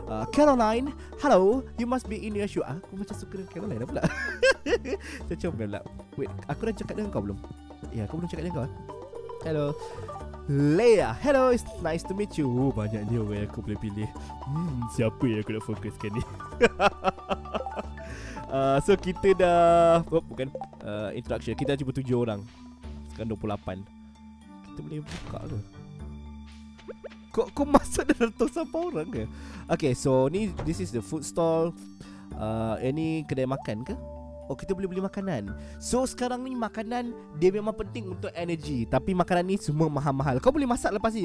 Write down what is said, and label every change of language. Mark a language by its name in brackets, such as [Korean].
[English] Caroline, hello, you must be in your show. [Malay] Aku macam suka dengan Caroline pula. Saya cuba pula. Wait, aku dah cakap dengan kau belum? Ya, aku belum cakap dengan kau. [English] Hello Leia, hello, it's nice to meet you. [Malay] Oh, banyak ni orang yang aku boleh pilih. Siapa yang aku nak fokuskan ni? So kita dah introduction. Kita cuba 7 orang. Sekarang 28. Kita boleh buka ke? Kau masuk dah tu siapa orang ke? [English] Okay, so [Malay] ni, [English] this is the food stall. [Malay] Ini kedai makan ke? Oh, kita boleh beli makanan. So sekarang ni makanan dia memang penting untuk energy. Tapi makanan ni semua mahal-mahal. Kau boleh masak lepas ni.